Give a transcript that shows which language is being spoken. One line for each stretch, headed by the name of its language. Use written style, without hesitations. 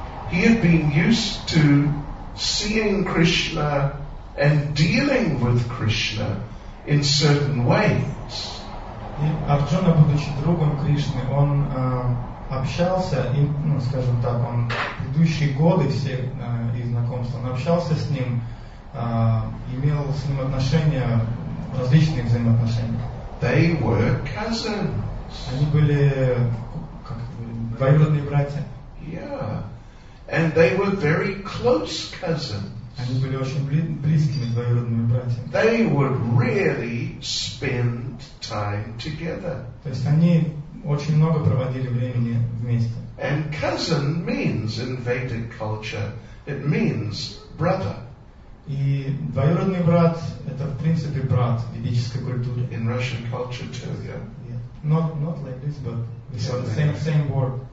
English: He had been used to seeing Krishna and dealing with Krishna in certain ways.
Russian: И Арджуна, будучи другом Кришны, он общался, и, ну, скажем так, он предыдущие годы все и знакомства, он общался с ним, имел с ним отношения, различные взаимоотношения.
English: They were cousins.
Russian: Они были как двоюродные братья.
English: Yeah. And they were very close cousins.
Russian: Они были очень близкими двоюродными братьями.
English: They would really spend time together.
Russian: То есть они очень много проводили времени вместе.
English: And cousin means in Vedic culture, it means brother.
Russian: И двоюродный брат – это, в принципе, брат в ведической культуре.
English: In Russian culture too, yeah. Not like this, but it's the same word.